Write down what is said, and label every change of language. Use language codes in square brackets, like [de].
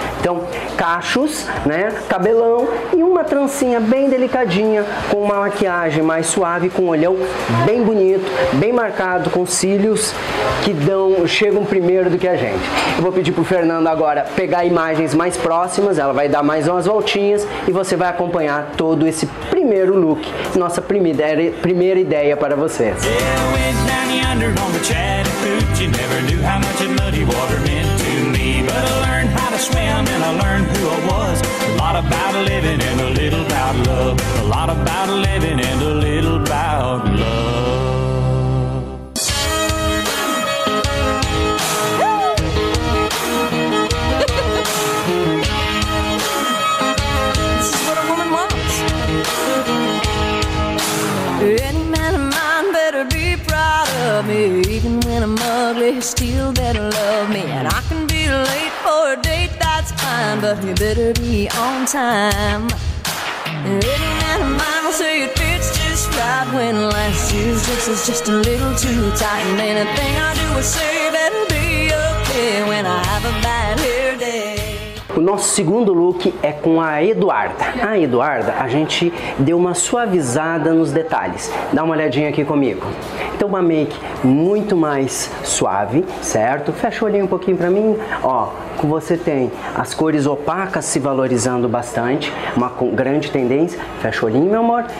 [pt] Então, cachos, né, cabelão e uma trancinha bem delicadinha, com uma maquiagem mais suave, com um olhão bem bonito, bem marcado, com cílios que chegam primeiro do que a gente. Eu vou pedir pro Fernando agora pegar imagens mais próximas, ela vai dar mais umas voltinhas e você vai acompanhar todo esse primeiro look, nossa primeira ideia para vocês. [en] Went down yonder on the Chattahoochee. You never knew how much that muddy water meant to me. But I learned how to swim and I learned who I was. A lot about living and a little about love. A lot about living and a little about love. This is what a woman wants. Any man of mine better better be proud of me. Even when I'm ugly, you still better love me. And I can be late for a date, that's fine, but you better be on time. Any man of mine will say it fits just right when life's used. This is just a little too tight. And anything I do or say better be okay when I have a bad hair day. [pt] O nosso segundo look é com a Eduarda. A Eduarda, a gente deu uma suavizada nos detalhes. Dá uma olhadinha aqui comigo. Então, uma make muito mais suave, certo? Fecha o olhinho um pouquinho pra mim. Ó, você tem as cores opacas se valorizando bastante, uma grande tendência. Fecha o olhinho, meu amor.